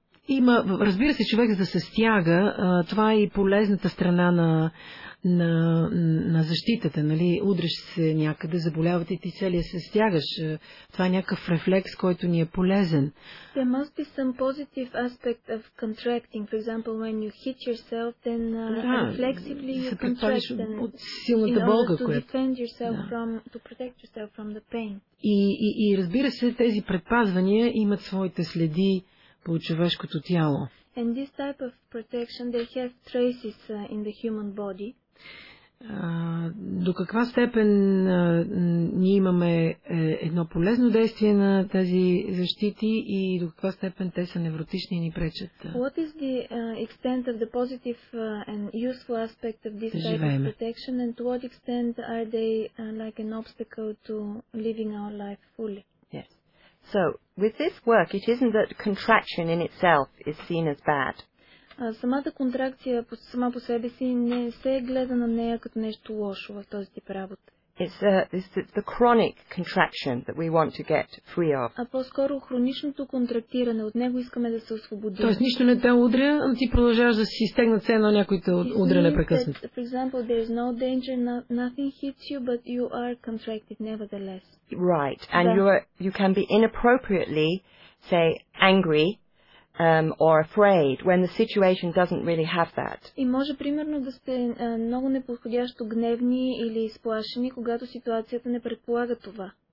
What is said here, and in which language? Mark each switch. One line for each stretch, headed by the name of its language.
Bulgarian: Има, разбира се, човек за да се стяга, това е и полезната страна на защитата, нали? Удреш се някъде, заболяват и ти целия се стягаш. Това е някакъв рефлекс, който ни е полезен.
English: There must be some positive aspect of contracting. For example, when you hit yourself, then flexibly you contract
Bulgarian: от силната болка, която...
English: To protect yourself from the pain.
Bulgarian: И разбира се, тези предпазвания имат своите следи по човешкото тяло.
English: And this type of protection, they have traces in the human body.
Bulgarian: До каква степен ние имаме едно полезно действие на тези защити и до каква степен те са невротични и ни пречат?
English: What is the extent of the positive and useful aspect of this type of protection and to what extent are they like an obstacle to living our life fully? Yes. So, with this work, it isn't that contraction in itself is seen as bad.
Bulgarian: Самата контракция сама по себе си не се гледа на нея като нещо лошо в този тип работа.
English: It's the chronic contraction that we want to get free of.
Bulgarian: А по-скоро хроничното контрактиране, от него искаме да се освободим. Тоест нищо не те удря, но ти продължаваш да си стегнат се едно някой те удря непрекъснато.
English: For example, there is no danger, nothing hits you, but you are contracted nevertheless. Right, and you can be inappropriately, say, angry, or afraid when the situation doesn't really have that.
Bulgarian: И може примерно да сте много неподходящо гневни или изплашени, когато ситуацията не предполага това.